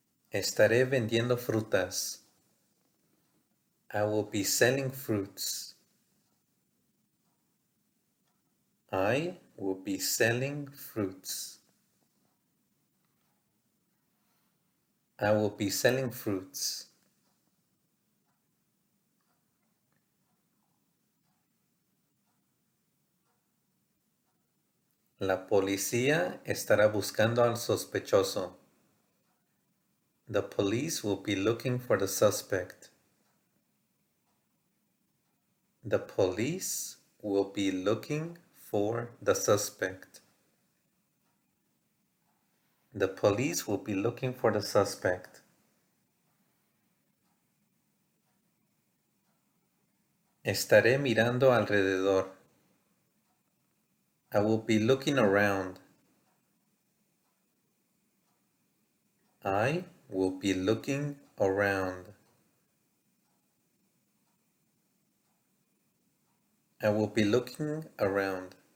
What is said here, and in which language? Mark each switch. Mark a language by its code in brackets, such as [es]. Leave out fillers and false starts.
[es] Estaré vendiendo frutas. [en] I will be selling fruits. I will be selling fruits. I will be selling fruits. [es] La policía estará buscando al sospechoso. [en] The police will be looking for the suspect. The police will be looking for the suspect. The police will be looking for the suspect. [es] Estaré mirando alrededor. [en] I will be looking around. I will be looking around. I will be looking around.